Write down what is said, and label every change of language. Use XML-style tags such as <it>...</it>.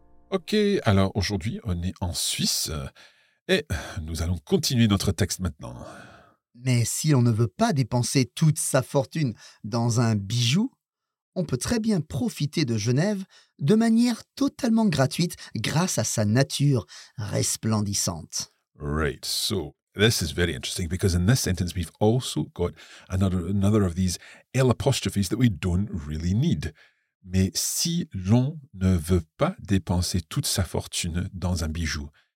<fr>Ok, alors aujourd'hui, on est en Suisse et nous allons continuer notre texte maintenant. Mais si on ne veut pas dépenser toute sa fortune dans un bijou, on peut très bien profiter de Genève de manière totalement gratuite grâce à sa nature resplendissante.</fr> <en>Right, so this is very interesting because in this sentence we've also got another of these L apostrophes that we don't really need.</en> <fr>Mais si l'on ne veut pas dépenser toute sa fortune dans un bijou.</fr>